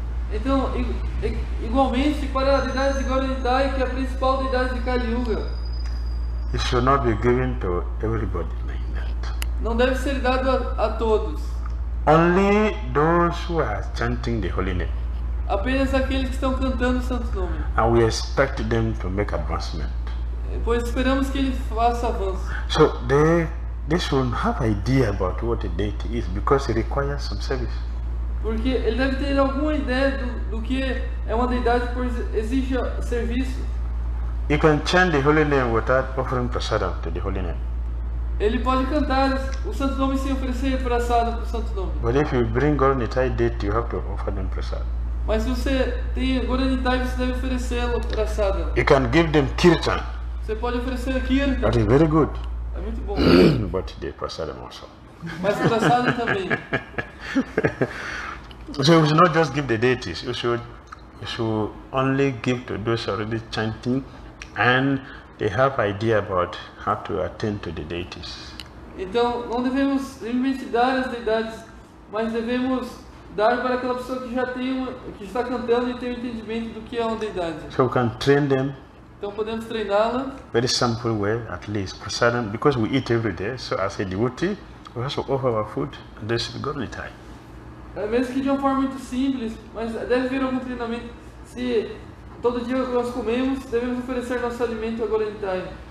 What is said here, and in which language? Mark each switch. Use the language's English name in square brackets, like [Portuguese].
[Portuguese] Então, igualmente para a deidade de Gauranitai, que é a principal deidade de Kali Yuga. [English] It should not be given to everybody like that. [Portuguese] Não deve ser dado a todos. [English] Only those who are chanting the holy name. [Portuguese] Apenas aqueles que estão cantando o santo nome. [English] And we expect them to make advancement. [Portuguese] Pois esperamos que ele faça avanço. [English] So they should have idea about what a deity is, because it requires some service. [Portuguese] Porque ele deve ter alguma ideia do que é uma deidade, pois exige serviço. [English] You can chant the holy name without offering prasadam to the holy name. [Portuguese] Ele pode cantar o santo nome sem oferecer prasadam para o santo nome. [English] But if you bring Gauranitai deity, you have to offer them prasadam. [Portuguese] Mas se você tem Gauranitai, você deve oferecê-lo prasadam. [English] You can give them kirtan. [Portuguese] Você pode oferecer kirtan. [English] That is very good. [Portuguese] É muito bom. [English] But the prasadam also. [Portuguese] Mas prasadam também. [English] So we should not just give the deities. We should only give to those already chanting, and they have idea about how to attend to the deities. [Portuguese] Então, não devemos simplesmente dar as deidades, mas devemos dar para aquela pessoa que já tem, que está cantando e tem um entendimento do que é uma deidade. [English] So we can train them. [Portuguese] Então podemos treiná-la. [English] Very simple way, at least, prasadam, because we eat every day. So as a devotee, we have to offer our food and this is the godly time. [Portuguese] Mesmo que de uma forma muito simples, mas deve haver algum treinamento. Se todo dia nós comemos, devemos oferecer nosso alimento agora em time.